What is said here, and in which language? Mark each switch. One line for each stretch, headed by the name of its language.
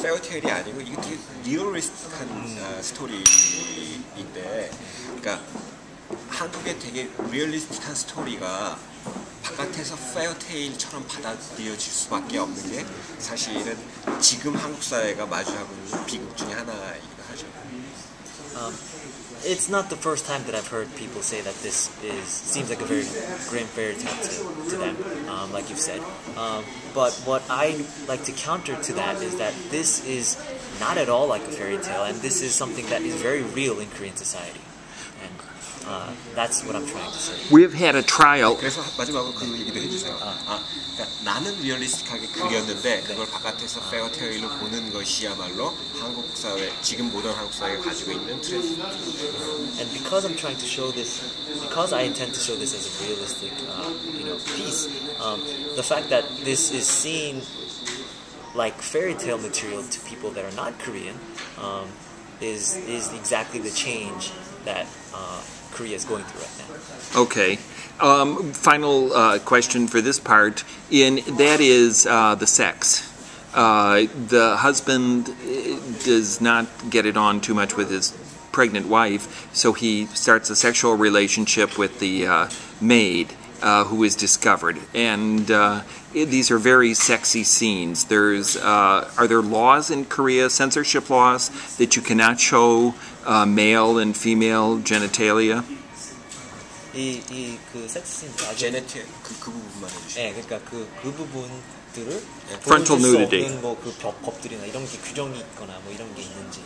Korean: 페어테일이 아니고 이게 되게 리얼리스틱한 스토리인데 그러니까 한국의 되게 리얼리스틱한 스토리가 바깥에서 페어테일처럼 받아들여질 수밖에 없는 게 사실은 지금 한국 사회가 마주하고 있는 비극 중에 하나이기도 하죠.
English: It's not the first time that I've heard people say that this is seems like a very grim fairy tale to them, like you've said. But what I like to counter to that is that this is not at all like a fairy tale, and this is something that is very real in Korean society. That's what I'm trying to say. We've had a trial.
Korean: 그래서 마지막으로 그 얘기도 해주세요. 그러니까 나는 리얼리스틱하게 그렸는데 그걸 바깥에서 페어테일로 보는 것이야말로 한국 사회 지금 모던 한국 사회가 가지고 있는 트렌드.
English: And because I'm trying to show this, because I intend to show this as a realistic, you know, piece, the fact that this is seen like fairy tale material to people that are not Korean, is exactly the change that. Korea is going through right now. Okay. Final question for this part, and that is the sex. The husband does not get it on too much with his pregnant wife, so he starts a sexual relationship with the maid who is discovered. And these are very sexy scenes. There's are there laws in Korea, censorship laws, that you cannot show male and female genitalia?
Korean: 이 그 섹스 씬들 아주 제네티 그 부분만 해주시면 네 그러니까 그 부분들을
English: frontal nudity
Korean: 보여줄 수 없는 뭐 그 법 법들이나 이런 게 규정이 있거나 뭐 이런 게 있는지